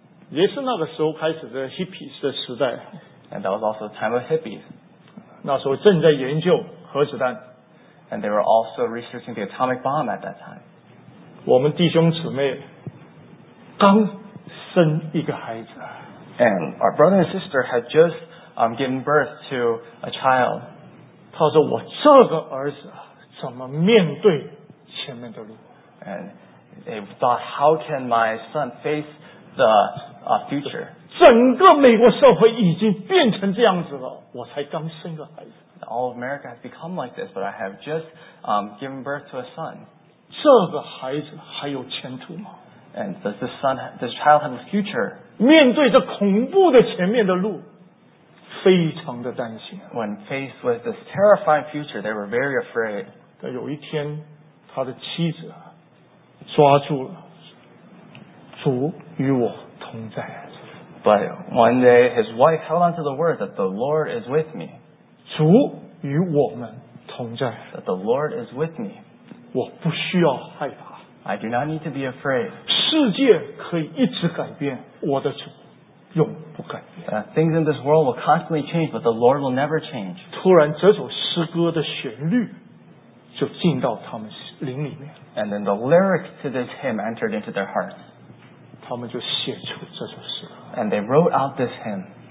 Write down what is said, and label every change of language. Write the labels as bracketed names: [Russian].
[Chinese] 也是那个时候开始的 hippies 的时代。 [English] And that was also the time of hippies. [Chinese] 那时候正在研究。核子弹 [English] and they were also researching the atomic bomb at that time. [Chinese] 我们弟兄姊妹刚生一个孩子 [English] and our brother and sister had just given birth to a child. [Chinese] 他说我这个儿子怎么面对前面的路 [English] and they thought how can my son face the future? [Chinese] 整个美国社会已经变成这样子了我才刚生个孩子 [English] All of America has become like this, but I have just given birth to a son. [Chinese] 这个孩子还有前途吗? [English] And does this son, this child have a future? [Chinese] 面对着恐怖的前面的路，非常的担心。 [English] When faced with this terrifying future, they were very afraid. [Chinese] 但有一天，他的妻子抓住了，主与我同在。 [English] But one day, his wife held on to the word that the Lord is with me. [Chinese] 主与我们同在。 [English] That the Lord is with me. [Chinese] 我不需要害怕。 [English] I do not need to be afraid. [Chinese] 世界可以一直改变，我的主永不改变。 [English] Things in this world will constantly change, but the Lord will never change. [Chinese] 突然，这首诗歌的旋律就进到他们灵里面。 [English] And then the lyrics to this hymn entered into their hearts. [Chinese] 他们就写出这首诗歌。 [English] And they wrote out this hymn.